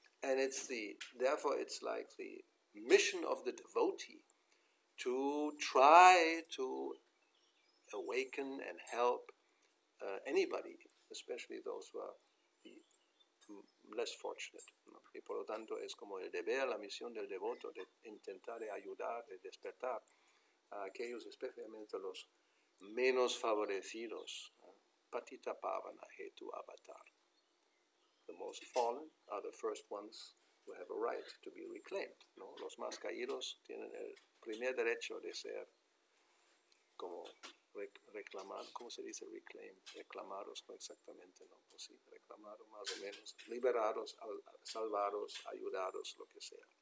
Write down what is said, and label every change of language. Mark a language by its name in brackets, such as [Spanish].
[English] And it's therefore it's like the mission of the devotee to try to awaken and help anybody, especially those who are less fortunate. [Spanish] ¿No? Y por lo tanto es como el deber, la misión del devoto de intentar de ayudar, de despertar a aquellos, especialmente los menos favorecidos. [Sanskrit] Patita pavana hetu avatar. [English] The most fallen are the first ones who have a right to be reclaimed. [Spanish] ¿No? Los más caídos tienen el primer derecho de ser como reclamados, ¿cómo se dice reclaim? Reclamados, no exactamente, no, pues sí, reclamados más o menos, liberados, salvados, ayudados, lo que sea.